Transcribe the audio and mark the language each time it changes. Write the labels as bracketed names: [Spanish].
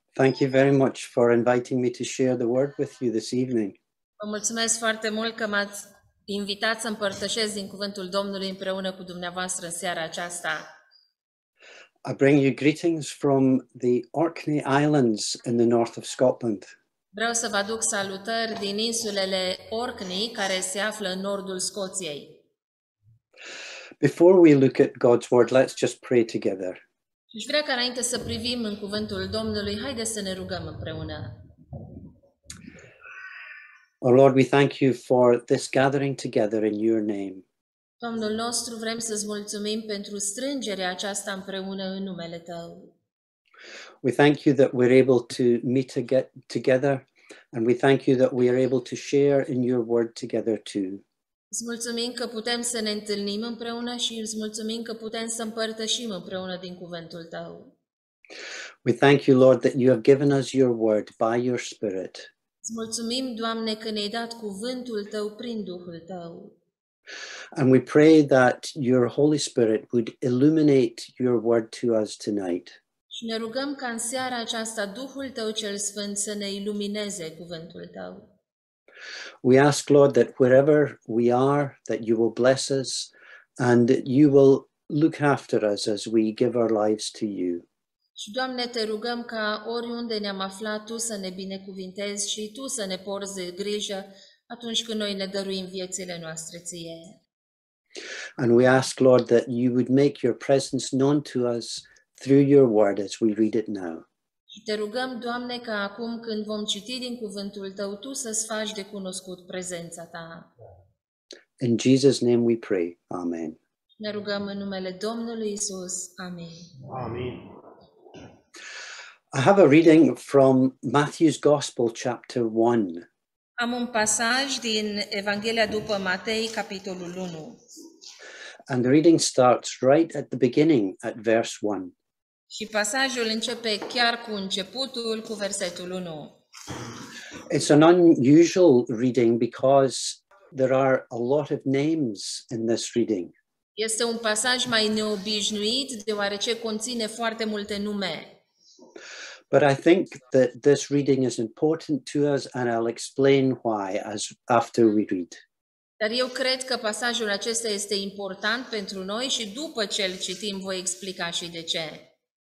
[English] Thank you very much for inviting me to share the word with you this evening. [Romanian] Vă mulțumesc foarte mult că m-ați invitat să împărtășesc din cuvântul Domnului împreună cu dumneavoastră în seara aceasta. [English] I bring you greetings from the Orkney Islands in the north of Scotland. [Romanian] Vreau să vă aduc salutări din insulele Orkney, care se află în nordul Scoției. [English] Before we look at God's word, let's just pray together. [Romanian] Și vrea ca înainte să privim în cuvântul Domnului, haide să ne rugăm împreună. [English] Oh Lord, we thank you for this gathering together in your name. [Romanian] Domnul nostru, vrem să -ți mulțumim pentru strângerea aceasta împreună în numele tău. [English] We thank you that we're able to meet together and we thank you that we are able to share in your word together too. [Romanian] Îți mulțumim că putem să ne întâlnim împreună și îți mulțumim că putem să împărtășim împreună din cuvântul tău. [English] We thank you, Lord, that you have given us your word by your spirit. [Romanian] Îți mulțumim, Doamne, că ne-ai dat cuvântul tău prin Duhul tău. [English] And we pray that your Holy Spirit would illuminate your word to us tonight. [Romanian] Și ne rugăm ca în seara aceasta Duhul tău cel sfânt să ne ilumineze cuvântul tău. [English] We ask, Lord, that wherever we are, that you will bless us and you will look after us as we give our lives to you. [Romanian] Și, Doamne, te rugăm ca oriunde ne-am aflat, tu să ne binecuvintezi și tu să ne porți grijă atunci când noi ne dăruim viețile noastre ție. [English] And we ask, Lord, that you would make your presence known to us through your word as we read it now. [Romanian] Și te rugăm, Doamne, ca acum când vom citi din cuvântul tău, tu să-ți faci de cunoscut prezența ta. [English] In Jesus' name we pray. Amen. [Romanian] Ne rugăm în numele Domnului Isus. Amen. Amen. [English] I have a reading from Matthew's Gospel, chapter 1. [Romanian] Am un pasaj din Evanghelia după Matei, capitolul 1. [English] And the reading starts right at the beginning, at verse 1. [Romanian] Și pasajul începe chiar cu începutul, cu versetul 1. [English] It's an unusual reading because there are a lot of names in this reading. [Romanian] Este un pasaj mai neobișnuit deoarece conține foarte multe nume. [English] But I think that this reading is important to us and I'll explain why as after we read. [Romanian] Dar eu cred că pasajul acesta este important pentru noi și după ce îl citim voi explica și de ce.